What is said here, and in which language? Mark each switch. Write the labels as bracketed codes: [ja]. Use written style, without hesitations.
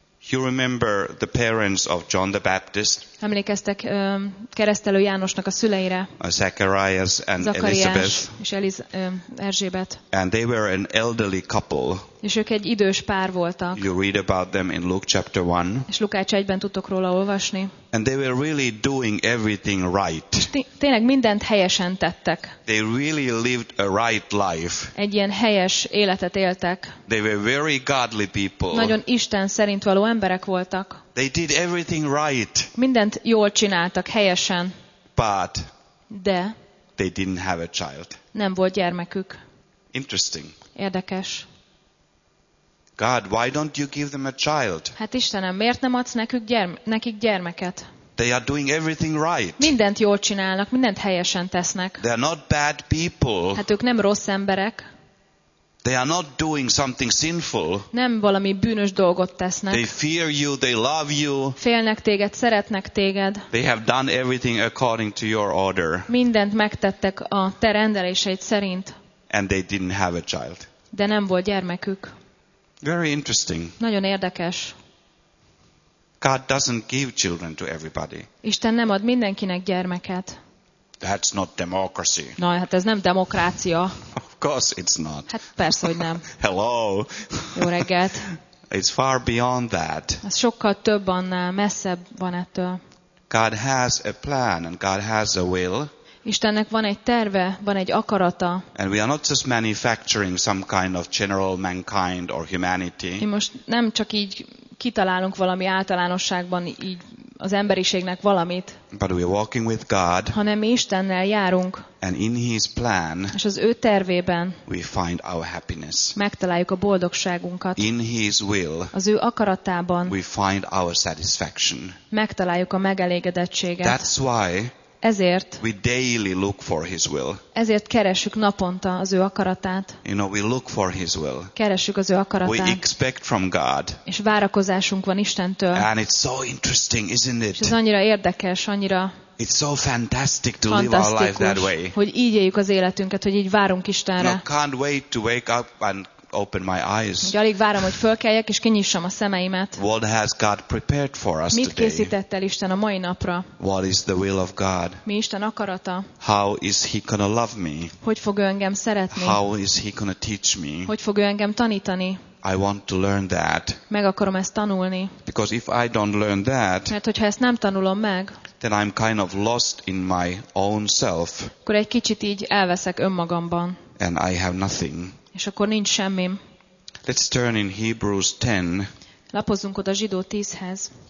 [en] You remember the parents of John the Baptist? [hu] Emlékeztek keresztelő Jánosnak a szüleire? [en] Zacharias and Elizabeth. [hu] És Erzsébet. [en] And they were an elderly couple. [hu] És ők egy idős pár voltak. [en] You read about them in Luke chapter 1. [hu] És Lukács 1-ben tudtok róla olvasni. [en] And they were really doing everything right. [hu] Tényleg mindent helyesen tettek. [en] They really lived a right life. [hu] Egy ilyen helyes életet éltek. [en] They were very godly people. [hu] Nagyon Isten szerint való emberek voltak. [en] They did everything right. [hu] Mindent jól csináltak, helyesen. [en] But [hu] de [en] they didn't have a child. [hu] Nem volt gyermekük. [en] Interesting. [hu] Érdekes. [en] God, why don't you give them a child? [hu] Hát Istenem, miért nem adsz nekik gyermeket? [en] They are doing everything right. [hu] Mindent jól csinálnak, mindent helyesen tesznek. [en] They are not bad people. [hu] Hát ők nem rossz emberek. [en] They are not doing something sinful. [hu] Nem valami bűnös dolgot tesznek. [en] They fear you, they love you. [hu] Félnek téged, szeretnek téged. [en] They have done everything according to your order. [hu] Mindent megtettek a te rendeléseid szerint. [en] And they didn't have a child. [hu] De nem volt gyermekük. [en] Very interesting. [hu] Nagyon érdekes. [en] God doesn't give children to everybody. [hu] Isten nem ad mindenkinek gyermeket. [en] That's not democracy. [hu] No, hát ez nem demokrácia. [en] Of course it's not. [hu] Hát persze, hogy nem. [en] Hello. [hu] Jó reggelt. [en] It's far beyond that. [hu] Ez sokkal több annál, messzebb van ettől. [en] God has a plan and God has a will. [hu] Istennek van egy terve, van egy akarata. [en] And we are not just manufacturing some kind of general mankind or humanity. [hu] Mi most nem csak így kitalálunk valami általánosságban így az emberiségnek valamit. [en] But we are walking with God. [hu] Hanem mi Istennel járunk. [en] And in his plan. [hu] És az ő tervében. [en] We find our happiness. [hu] Megtaláljuk a boldogságunkat. [en] In his will. [hu] Az ő akaratában. [en] We find our satisfaction. [hu] Megtaláljuk a megelégedettséget. [en] That's why. [hu] Ezért, [en] we daily look for his will. [hu] Ezért keressük naponta az ő akaratát. [en] You know, we look for his will. [hu] Keressük az ő akaratát. [en] We expect from God. [hu] És várakozásunk van Istentől. [en] And it's so interesting, isn't it? [hu] És ez annyira érdekes, annyira. [en] It's so fantastic to live our life that way. [hu] Hogy így éljük az életünket, hogy így várunk Istenre. [en] I can't wait to wake up and open my eyes. [hu] Alig várom, hogy fölkeljek és kinyissam a szemeimet. [en] What has God prepared for us today? [hu] Mit készített el Isten a mai napra? [en] What is the will of God? [hu] Mi Isten akarata? [en] How is he gonna love me? [hu] Hogy fog ő engem szeretni? [en] How is he gonna teach me? [hu] Hogy fog ő engem tanítani? [en] I want to learn that. [hu] Meg akarom ezt tanulni. [en] Because if I don't learn that, [hu] mert hogyha ezt nem tanulom meg, [en] then I'm kind of lost in my own self. [hu] Akkor egy kicsit így elveszek önmagamban. [en] And I have nothing. [hu] És akkor nincs semmim. [en] Let's turn in Hebrews 10. [hu] Lapozzunk oda Zsidó 10-hez.